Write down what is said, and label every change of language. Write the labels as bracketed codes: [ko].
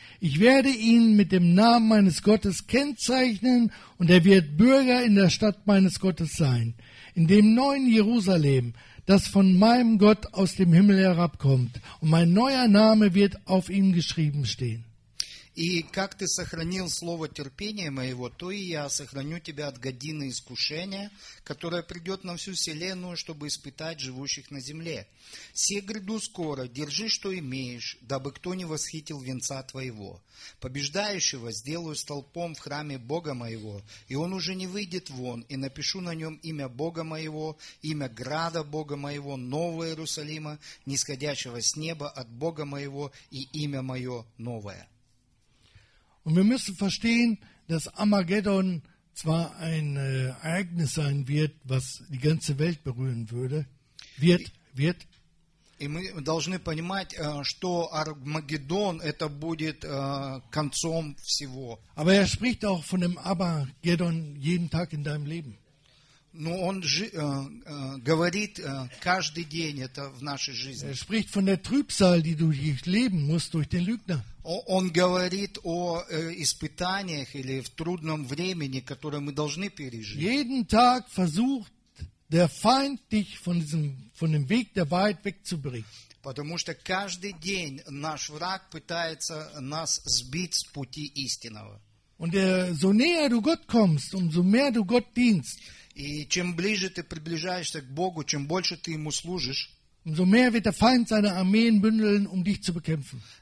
[de] Ich werde ihn mit dem Namen meines Gottes kennzeichnen, und er wird Bürger in der Stadt meines Gottes sein, in dem neuen Jerusalem, das von meinem Gott aus dem Himmel herabkommt, und mein neuer Name wird auf ihm geschrieben stehen. [ru] И как ты сохранил слово терпения моего, то и я сохраню тебя от годины искушения, которая придет на всю вселенную, чтобы испытать живущих на земле. Се гряду скоро, держи, что имеешь, дабы кто не восхитил венца твоего. Побеждающего сделаю столпом в храме Бога моего, и он уже не выйдет вон, и напишу на нем имя Бога моего, имя града Бога моего, нового Иерусалима, нисходящего с неба от Бога моего, и имя мое новое. [de] Und wir müssen verstehen, dass Armageddon zwar ein Ereignis sein wird, was die ganze Welt berühren würde, wird. Und wir müssen [ru] понимать, что Армагеддон это будет концом всего. [de] Aber er spricht auch von dem Armageddon jeden Tag in deinem Leben. [ru] Но он говорит каждый день это в нашей жизни. [de] Er spricht von der Trübsal, die du durchleben musst durch den Lügner. [ru] Он говорит о испытаниях или в трудном времени, которое мы должны пережить. [de] Jeden Tag versucht der Feind dich von dem Weg der Wahrheit wegzubringen. [ru] Потому что каждый день наш враг пытается нас сбить с пути истинного. [de] Und so näher du Gott kommst, umso mehr du Gott dienst. [ru] И чем ближе ты приближаешься к Богу, чем больше ты ему служишь. [de] Umso mehr wird der Feind seine Armeen bündeln, um dich zu bekämpfen.